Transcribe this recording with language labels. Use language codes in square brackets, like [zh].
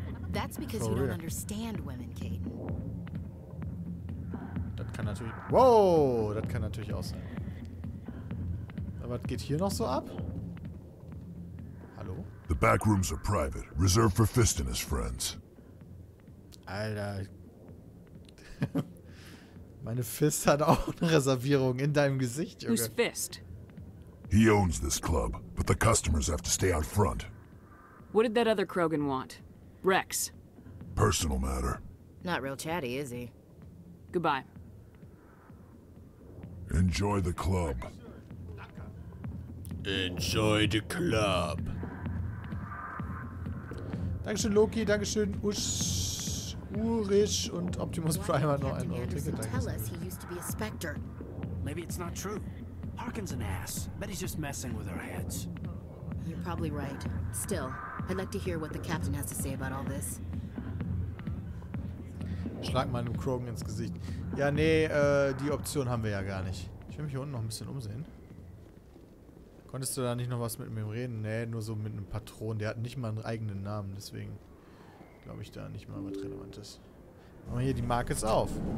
[en] That's because you don't understand women, Caden. [de] Das kann natürlich. Whoa, das kann natürlich auch sein. Aber was geht hier noch so ab? Hallo? [en] The back rooms are private, reserved for Fist and his friends. [de] Alter. Meine Fist hat auch eine Reservierung in deinem Gesicht, Junge. [en] Who's Fist? He owns this club, but the customers have to stay out front. What did that other Krogan want? Rex. Personal matter. Not real chatty, is he? Goodbye. Enjoy the club. Enjoy the club. [de] Dankeschön, Loki. Dankeschön, Ulrich und Optimus Prime hat noch ein Ticket. [en] Tell us he used to be a Spectre. Maybe it's not true. Harkin's an ass. Bet he's just messing with our heads. You're probably right. Still. I'd like to hear what the captain has to say about all this. [de] Schlag mal einem Krogan ins Gesicht. Ja, nee, die Option haben wir ja gar nicht. Ich will mich hier unten noch ein bisschen umsehen. Konntest du da nicht noch was mit mir reden? Nee, nur so mit einem Patron. Der hat nicht mal einen eigenen Namen, deswegen glaube ich da nicht mal was Relevantes. Machen wir hier die Markets auf.